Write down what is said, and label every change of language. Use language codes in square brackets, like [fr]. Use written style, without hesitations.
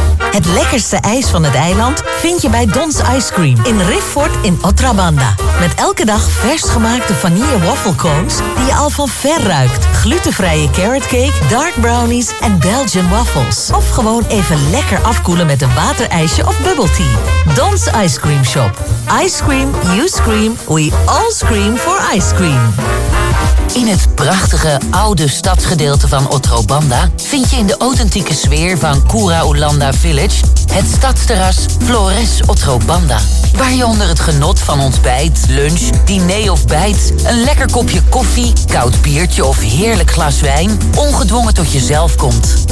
[nl] Het lekkerste ijs van het eiland vind je bij Don's Ice Cream in Rifford in Otrabanda. Met elke dag vers gemaakte vanille waffle cones die je al van ver ruikt. Glutenvrije carrot cake, dark brownies en Belgian waffles. Of gewoon even lekker afkoelen met een waterijsje of bubble tea. [en] Don's Ice Cream Shop. Ice cream, you scream, we all scream for ice cream. [nl] In het prachtige oude stadsgedeelte van Otrobanda vind je in de authentieke sfeer van Cura Ulanda Village het stadsterras Flores Otrobanda. Waar je onder het genot van ontbijt, lunch, diner of bijt, een lekker kopje koffie, koud biertje of heerlijk glas wijn ongedwongen tot jezelf komt.